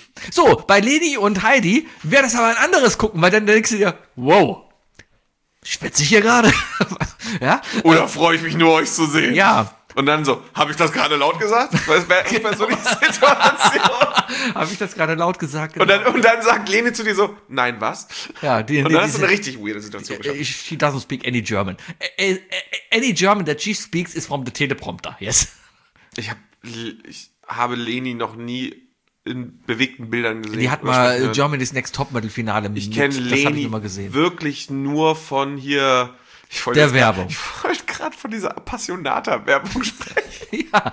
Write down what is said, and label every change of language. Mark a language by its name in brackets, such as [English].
[German] So, bei Leni und Heidi wäre das aber ein anderes Gucken, weil dann denkst du dir, wow, schwitze ich hier gerade? Ja? Oder freue ich mich nur, euch zu sehen? Ja. Und dann so, habe ich das gerade laut gesagt? Weil es wäre echt so die Situation. Habe ich das gerade laut gesagt? Genau. Und dann sagt Leni zu dir so, nein, was? Ja, die, und dann hast du eine richtig weirde Situation geschafft. [English] She doesn't speak any German. Any German that she speaks is from the teleprompter, yes. [German] Ich habe Leni noch nie in bewegten Bildern gesehen. Die hat mal gehört. Germany's Next Topmodel Finale mit. Ich kenne Leni wirklich nur von hier... Werbung. Ich wollte gerade von dieser Appassionata-Werbung sprechen.